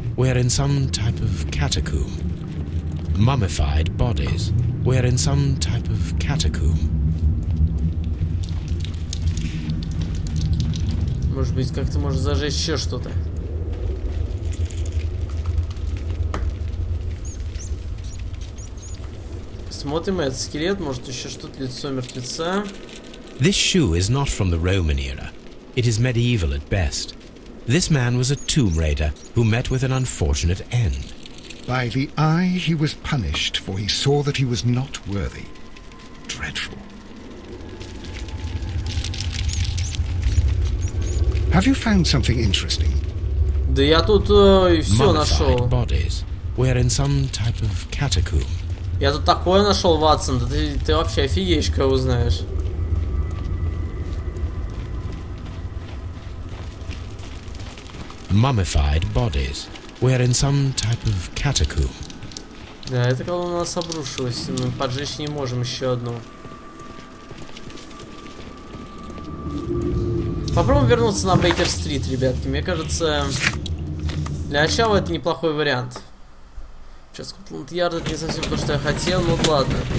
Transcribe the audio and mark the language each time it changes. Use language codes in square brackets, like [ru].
[en] We're in some type of catacomb. Mummified bodies. We're in some type of catacomb. [ru] Может быть, как-то можешь зажечь еще что-то. Смотрим этот скелет, может еще что-то лицо мертвеца. [en] This shoe is not from the Roman era. It is medieval at best. This man was a tomb raider who met with an unfortunate end. By the eye he was punished, for he saw that he was not worthy. Dreadful. Have you found something interesting? [ru] Да я тут и все нашел. [en] Mummified bodies. We're in some type of catacomb. [ru] Я тут такое нашел, Ватсон, да ты вообще офигеешь, кого узнаешь. [en] Mummified bodies. We're in some type of catacomb. [ru] Да, эта колонна у нас обрушилась, мы поджечь не можем еще одну. Попробуем вернуться на Бейкер-стрит, ребятки. Мне кажется, для начала это неплохой вариант. Сейчас Скотланд-Ярд, это не совсем то, что я хотел, но ладно.